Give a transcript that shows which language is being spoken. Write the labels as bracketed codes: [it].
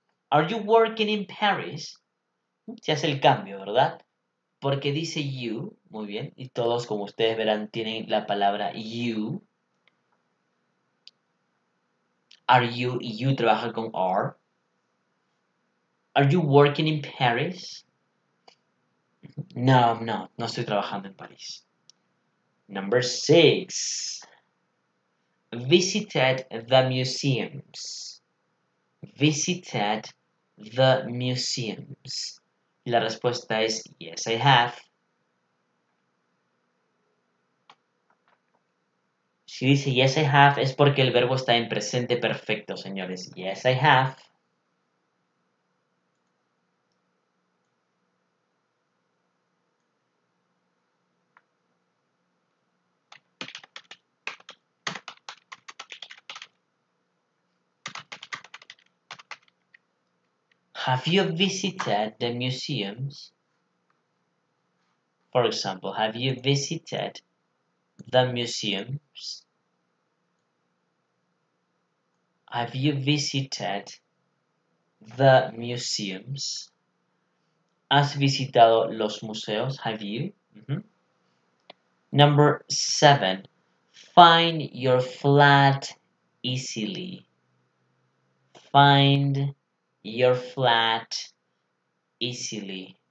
[en] Are you working in Paris? [es] Se hace el cambio, ¿verdad? Porque dice you, muy bien, y todos, como ustedes verán, tienen la palabra you. [en] Are you, [es] y you trabaja con are. [en] Are you working in Paris? [es] No, no, no estoy trabajando en París. [en] Number six. Visited the museums. Visited the museums. [es] La respuesta es, [en] yes, I have. [es] Si dice, [en] yes, I have, [es] es porque el verbo está en presente perfecto, señores. [en] Yes, I have. Have you visited the museums? For example, have you visited the museums? Have you visited the museums? [es] ¿Has visitado los museos? [en] Have you? Number seven. Find your flat easily. Find your flat easily.